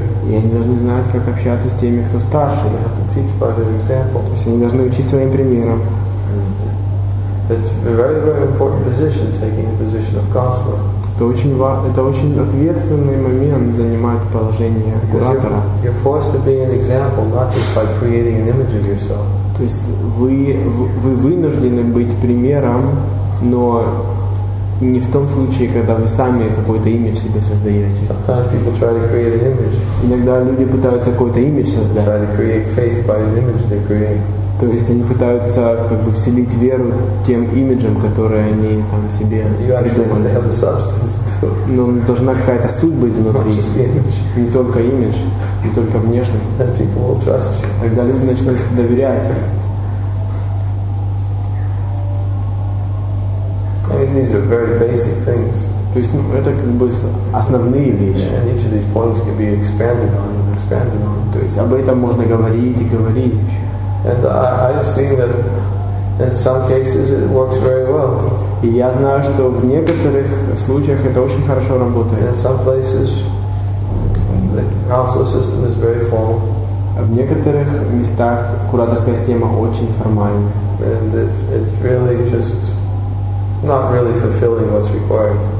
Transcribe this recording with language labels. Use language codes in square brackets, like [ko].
[ru] И они должны знать, как общаться с теми, кто старше. То есть они должны учить своим примером. [en] It's a very, very important position, taking the position of counselor. [ru] Это очень ответственный момент занимать положение куратора. [en] You're forced to be an example, not just by creating an image of yourself. [ru] То есть вы вынуждены быть примером, но не в том случае, когда вы сами какой-то имидж себе создаете. [en] Sometimes people try to create an image. [ru] Иногда люди пытаются какой-то имидж создать. [en] Try to create faith by the image they create. [ru] То есть они пытаются как бы вселить веру тем имиджам, которые они там себе придумали. Но должна какая-то суть быть внутри. Не только имидж, не только внешность. Тогда люди начнут доверять. [en] These are very basic things. [ru] То есть, ну, это как бы основные вещи. [en] And each of these points can be expanded on and expanded on. [ru] То есть об этом можно говорить и говорить еще. [en] And I've seen that in some cases it works very well. [ru] И я знаю, что в некоторых случаях это очень хорошо работает. [en] And in some places the counselor system is very formal. [ru] А в некоторых местах кураторская система очень формальна. [en] And it's really just not really fulfilling what's required.